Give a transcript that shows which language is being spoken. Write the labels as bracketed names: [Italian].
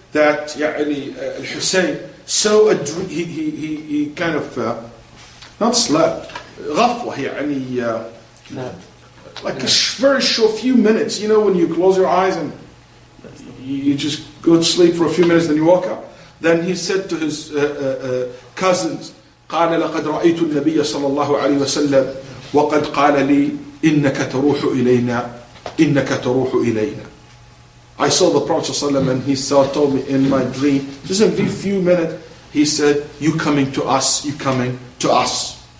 [English] that يعني, Hussein saw a dream. He kind of not slept. غفوة يعني, like a very short few minutes. You know when you close your eyes and you just go to sleep for a few minutes, then you wake up. Then he said to his cousins, [Arabic] قال لقد رأيت النبي صلى الله عليه وسلم وقد قال لي إنك تروح إلينا إنك تروح إلينا. [English] I saw the Prophet صلى الله عليه وسلم and he told me in my dream, just a few minutes, he said, you coming to us, you coming to us.